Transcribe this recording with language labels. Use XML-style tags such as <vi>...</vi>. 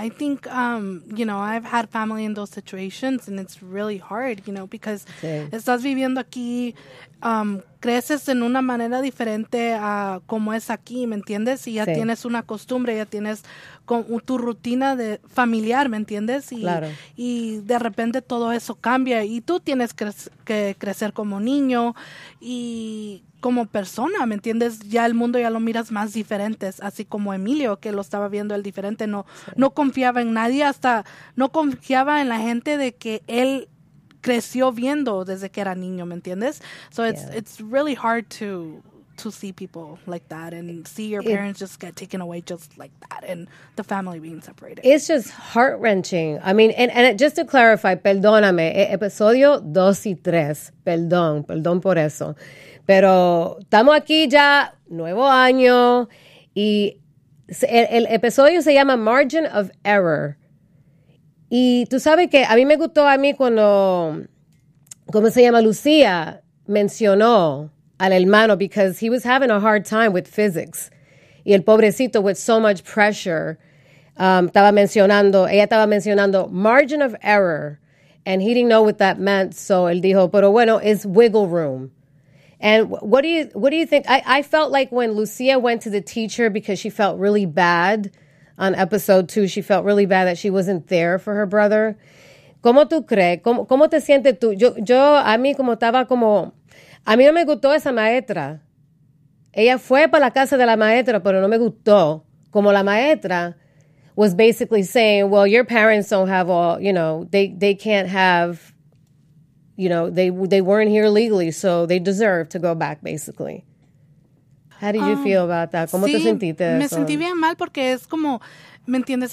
<en>I think, I've had family in those situations, and it's really hard, you know, because sí.</en> <es>Estás viviendo aquí, creces en una manera diferente a como es aquí, ¿me entiendes? Y ya sí. Tienes una costumbre, ya tienes tu rutina de familiar, ¿me entiendes? Y, claro. Y de repente todo eso cambia, y tú tienes que crecer como niño, y como persona, ¿me entiendes? Ya el mundo ya lo miras más diferentes, así como Emilio, que lo estaba viendo el diferente, no confiaba en nadie, hasta no confiaba en la gente de que él creció viendo desde que era niño, ¿me entiendes?</es> <en>So it's really hard to see people like that and see your parents just get taken away just like that and the family being separated. It's just heart-wrenching. I mean, and just to clarify,</en> <es>perdóname, episodio 2 y 3, perdón por eso. Pero estamos aquí ya, nuevo año, y el episodio se llama Margin of Error. Y tú sabes que a mí me gustó a mí cuando, ¿cómo se llama?</es> <en>Lucía</en> <es>mencionó al hermano</es> <en>because he was having a hard time with physics.</en> <es>Y el pobrecito</es> <en>with so much pressure,</en> <es>ella estaba mencionando</es> <en>Margin of Error, and he didn't know what that meant. So</en> <es>él dijo, pero bueno,</es> <en>it's wiggle room. And what do you think? I felt like when Lucia went to the teacher because she felt really bad on episode two, she felt really bad that she wasn't there for her brother.</en> <es>¿Cómo tú crees? ¿Cómo te sientes tú? Yo a mí como estaba como, a mí no me gustó esa maestra. Ella fue para la casa de la maestra, pero no me gustó. Como la maestra</es> <en>was basically saying, well, your parents don't have all, you know, they can't have, you know, they weren't here legally, so they deserve to go back, basically. How did you feel about that?</en> <es>¿Cómo sí, te sentiste eso? Me sentí bien mal porque es como, ¿me entiendes?</es>